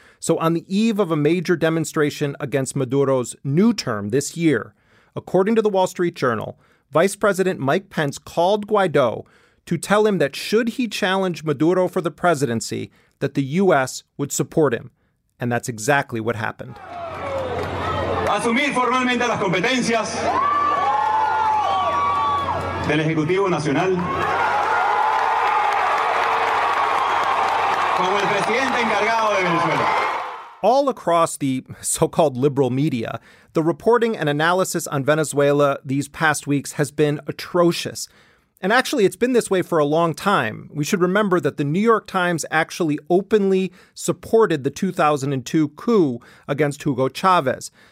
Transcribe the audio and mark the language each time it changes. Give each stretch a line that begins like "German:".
English: So on the eve of a major demonstration against Maduro's new term this year, according to the Wall Street Journal, Vice President Mike Pence called Guaido to tell him that should he challenge Maduro for the presidency, that the U.S. would support him. And that's exactly what happened.
Spanish: Asumir formalmente las competencias del Ejecutivo Nacional como el presidente encargado de Venezuela.
English: All across the so-called liberal media, the reporting and analysis on Venezuela these past weeks has been atrocious. And actually, it's been this way for a long time. We should remember that the New York Times actually openly supported the 2002 coup against Hugo Chavez.